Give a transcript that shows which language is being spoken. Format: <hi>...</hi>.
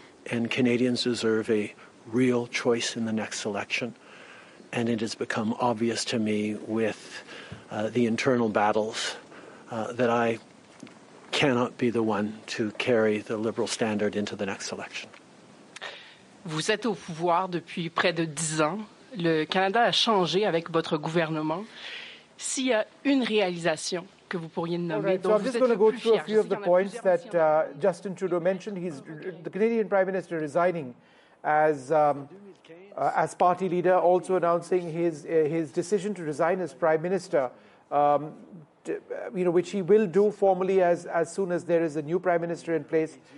<en>And Canadians deserve a real choice in the next election. And it has become obvious to me with the internal battles that I cannot be the one to carry the Liberal standard into the next election.</en> <fr>Vous êtes au pouvoir depuis près de 10 ans. Le Canada a changé avec votre gouvernement. S'il y a une réalisation que vous pourriez nommer.</fr> <en>All right, so I'm just going to go through a few of the points that Justin Trudeau mentioned. He's the Canadian Prime Minister resigning as party leader, also announcing his decision to resign as Prime Minister, which he will do formally as soon as there is a new Prime Minister in place.</en>